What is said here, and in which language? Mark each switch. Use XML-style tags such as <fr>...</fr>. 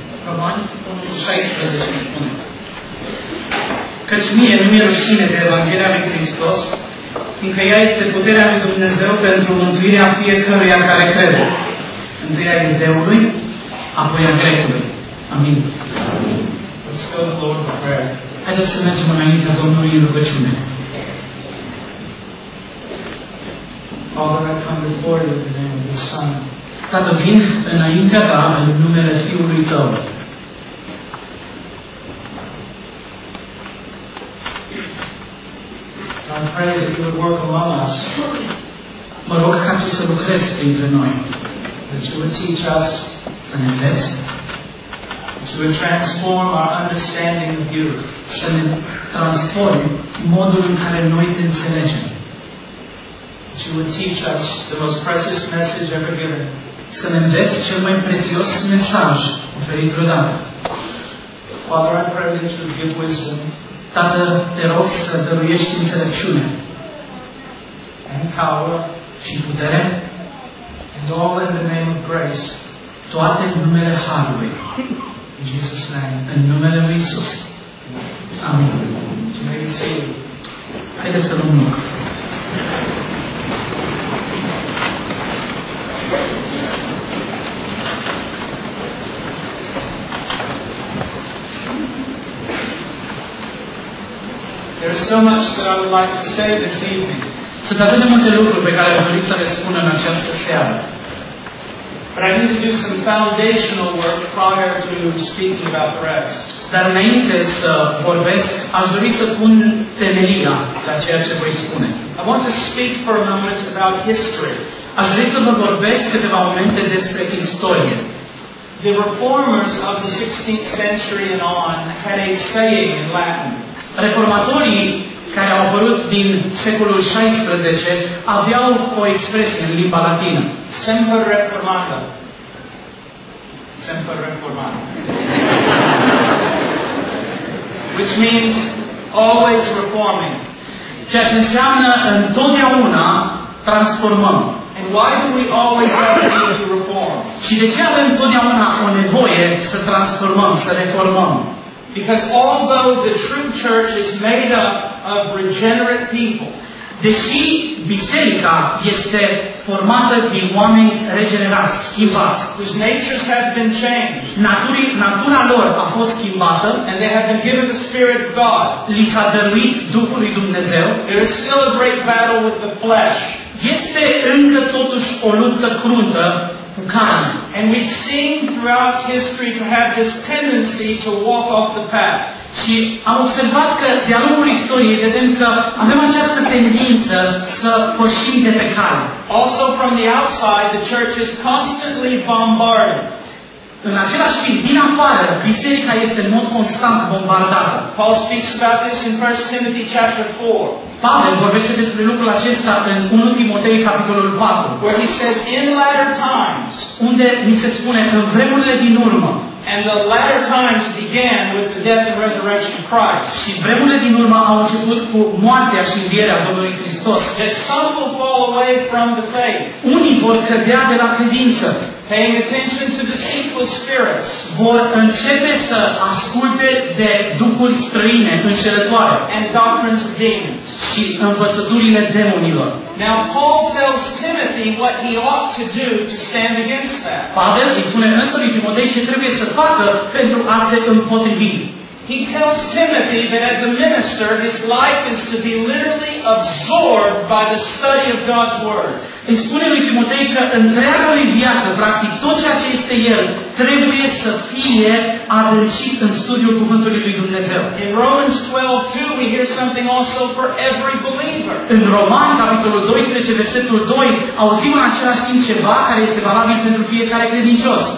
<ro>romani, contul 16 spune: căci mie nu mi-e rușine de Evanghelia lui Hristos, fiindcă ea este puterea lui Dumnezeu pentru mântuirea fiecăruia care crede. Întâi a iudeului, apoi a grecului. Amin.</ro> <en>Let's go to the Lord in prayer.</en> <ro>Haideți să mergem înaintea Domnului în rugăciune.</ro> <en>Father, I come before you in the name of the Son.</en> <ro>Tată, vin înaintea ta în numele Fiului tău.</ro> <en>So I pray that you would work among us.</en> <ro>Mă rog ca tu să lucrezi printre noi.</ro> <en>That you would teach us and invest. That you would transform our understanding of you.</en> <ro>Să ne transformi modul în care noi te înțelegem.</ro> <en>That you would teach us the most precious message ever given.</en> <ro>Să ne înveți cel mai prețios mesaj oferit vreodată.</ro> <en>Father, I pray that you would give wisdom.</en> <ro>Tată, te rog să dăruiești înțelepciune.</ro> <en>And power.</en> <ro>Și putere.</ro> <en>And all in the name of grace.</en> <ro>Toate în numele Harului.</ro> <en>In Jesus' name.</en> <ro>În numele lui Iisus. Amin. Și mai să haideți să luăm loc.</ro> <en>There's so much that I would like to say this evening.</en> <ro>Sunt atât de multe lucruri pe care aș dori să le spun în această seară.</ro> <en>But I need to do some foundational work prior to speaking about the rest.</en> <ro>Dar înainte să vorbesc, aș dori să pun temelia la ceea ce voi spune.</ro> <en>I want to speak for a moment about history.</en> <ro>Aș dori să vă vorbesc câteva momente despre istorie.</ro> <en>The reformers of the 16th century and on had a saying in Latin.</en> <ro>Reformatorii care au apărut din secolul 16 aveau o expresie în limba latină.</ro> <la>Semper reformata. Semper reformata.</la> <en>Which means always reforming.</en> <ro>Ceea ce înseamnă întotdeauna transformăm.</ro> <en>And why do we always have a need to reform?</en> <ro>Și de ce avem întotdeauna o nevoie să transformăm, să reformăm?</ro> <en>Because although the true church is made up of regenerate people,</en> <ro>deși biserica este formată din oameni regenerați, schimbați,</ro> <en>whose natures have been changed,</en> <ro>natura lor a fost schimbată,</ro> <en>and they have been given the Spirit of God,</en> <ro>li s-a dăruit Duhul lui Dumnezeu,</ro> <en>there is still a great battle with the flesh.</en> <ro>Este încă totuși o luptă cruntă.</ro> <en>And we seem throughout history to have this tendency to walk off the path.</en> <ro>Și am observat că de-a lungul istoriei vedem că avem această tendință să pășim de pe cale.</ro> <en>Also from the outside, the church is constantly bombarded.</en> <ro>În același timp, din afară, biserica este în mod constant bombardată.</ro> <en>Paul speaks about this in 1 Timothy chapter 4.</en> <ro>Pavel vorbește despre lucrul acesta în 1 Timotei capitolul 4.</ro> <en>Where he says, in latter times,</en> <ro>unde ni se spune în vremurile din urmă.</ro> <en>And the latter times began with the death and resurrection of Christ.</en> <ro>Și vremurile din urmă au început cu moartea și învierea Domnului Hristos.</ro> <en>That some will fall away from the faith.</en> <ro>Unii vor cădea de la credință.</ro> <en>Paying attention to deceitful spirits.</en> <ro>Vor începe să asculte de duhuri străine, înșelătoare.</ro> <en>And doctrines of demons.</en> <ro>Și învățăturile demonilor.</ro> <en>Now Paul tells Timothy what he ought to do to stand against that.</en> <ro>Pavel îi spune însărui Timotei ce trebuie să facă pentru a se împotrivi.</ro> <en>He tells Timothy that as a minister, his life is to be literally absorbed by the study of God's word.</en> <ro>Îi spune lui Timotei că întreaga lui viață, practic tot ceea ce este el, trebuie să fie adâncit în studiul cuvântului lui Dumnezeu.</ro> <en>In Romans 12:2, we hear something also for every believer.</en> <ro>În Roman capitolul 12, versetul 2, auzim în același timp ceva care este valabil pentru fiecare credincios.</ro>